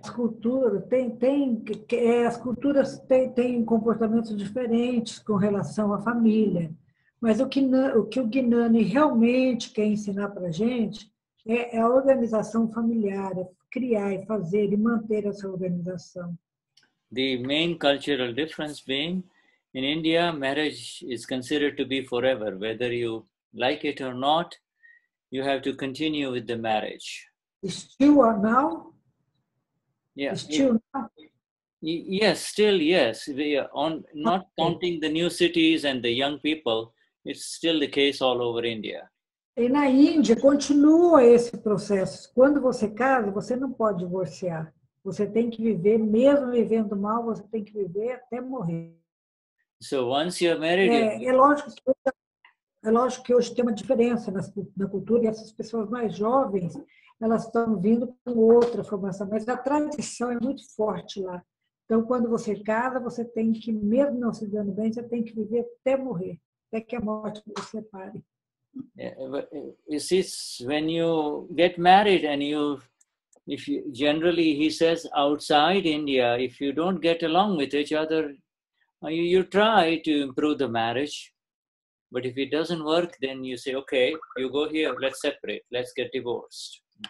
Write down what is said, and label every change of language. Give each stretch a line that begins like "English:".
Portuguese: As culturas têm comportamentos diferentes com relação à família, mas o que o Gnani realmente quer ensinar para a gente é a organização familiar, é criar e fazer e manter essa organização.
English: The main cultural difference being, in India, marriage is considered to be forever, whether you like it or not, you have to continue with the marriage. Still or now? Yeah. Still, yes. We are not counting the new cities and the young people. It's still the case all over India.
Portuguese: E na Índia continua esse processo. Quando você casa, você não pode divorciar. Você tem que viver, mesmo vivendo mal, você tem que viver até morrer.
English: So once you're married,
Portuguese: é lógico que hoje tem uma diferença na cultura, e essas pessoas mais jovens, elas estão vindo com outra formação, mas a tradição é muito forte lá. Então, quando você casa, você tem que, mesmo não se dando bem, você tem que viver até morrer, até que a morte você separe.
English: Yeah, is this when you get married and you, if you, generally he says outside India, if you don't get along with each other, you try to improve the marriage, but if it doesn't work, then you say, okay, you go here, let's separate, let's get divorced.